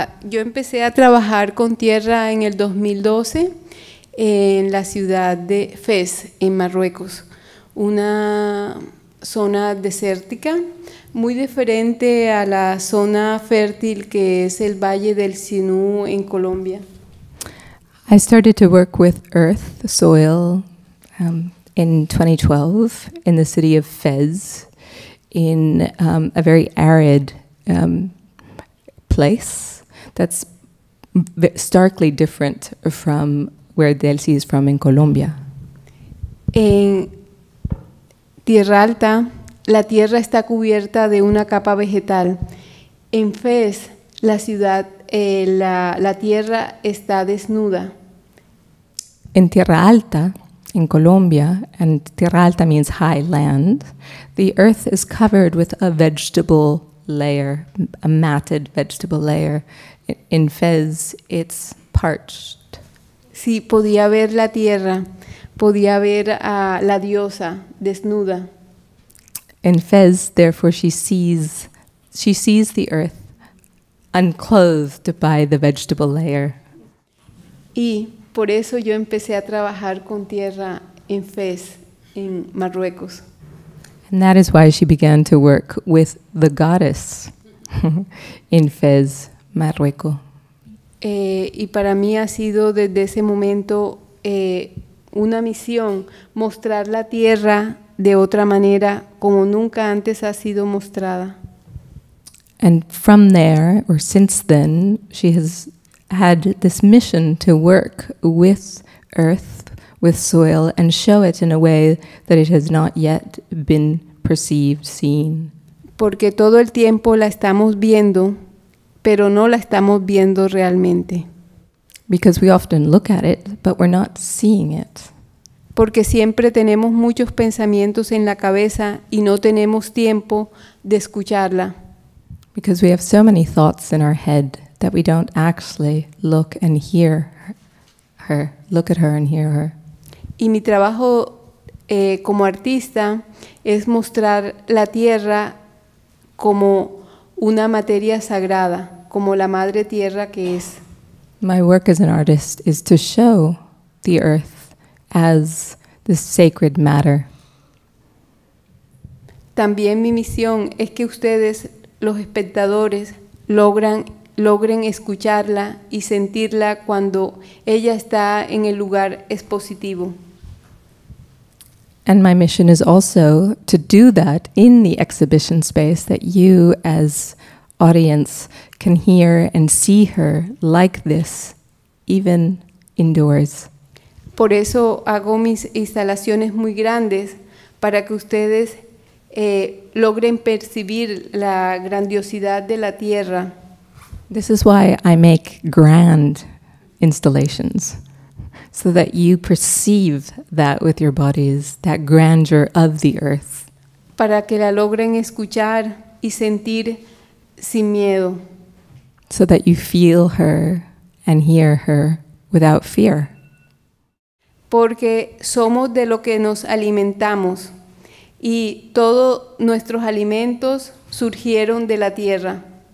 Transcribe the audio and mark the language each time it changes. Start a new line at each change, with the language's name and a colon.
Spanish: Yo empecé a trabajar con tierra en el 2012, en la ciudad de Fez, en Marruecos, una zona desértica muy diferente a la zona fértil que es el Valle del Sinú en Colombia.
English: I started to work with earth, the soil, in 2012 in the city of Fez, in a very arid place that's starkly different from where Delcy is from in Colombia.
Spanish: En Tierralta, la tierra está cubierta de una capa vegetal. En Fez, la ciudad, la tierra está desnuda.
English: En Tierralta, in Colombia, and Tierralta means high land, the earth is covered with a vegetable layer, a matted vegetable layer. In Fez, it's parched.
Spanish: Sí, podía ver la tierra, podía ver a la diosa desnuda.
English: In Fez, therefore, she sees the earth unclothed by the vegetable layer.
Spanish: Y por eso yo empecé a trabajar con tierra en Fez, en Marruecos.
English: And that is why she began to work with the goddess in Fez, Marruecos.
Spanish: Y para mí ha sido desde ese momento una misión mostrar la tierra de otra manera como nunca antes ha sido mostrada.
English: And from there, or since then, she has had this mission to work with earth, with soil, and show it in a way that it has not yet been perceived, seen.
Spanish: Porque todo el tiempo la estamos viendo, pero no la estamos viendo realmente.
English: Because we often look at it, but we're not seeing it.
Spanish: Porque siempre tenemos muchos pensamientos en la cabeza y no tenemos tiempo de escucharla.
English: Because we have so many thoughts in our head that we don't actually look and hear her, look at her and hear her.
Spanish: Y mi trabajo como artista es mostrar la tierra como una materia sagrada, como la madre tierra que es.
English: My work as an artist is to show the earth as the sacred matter.
Spanish: También mi misión es que ustedes, los espectadores, logren escucharla y sentirla cuando ella está en el lugar expositivo.
English: And my mission is also to do that in the exhibition space, that you as audience can hear and see her like this, even indoors.
Spanish: Por eso hago mis instalaciones muy grandes, para que ustedes logren percibir la grandiosidad de la tierra.
English: This is why I make grand installations, so that you perceive that with your bodies, that grandeur of the earth.
Spanish: Para que la logren escuchar y sentir sin miedo.
English: So that you feel her and hear her without fear.
Spanish: Porque somos de lo que nos alimentamos. Y todos nuestros alimentos surgieron de la tierra.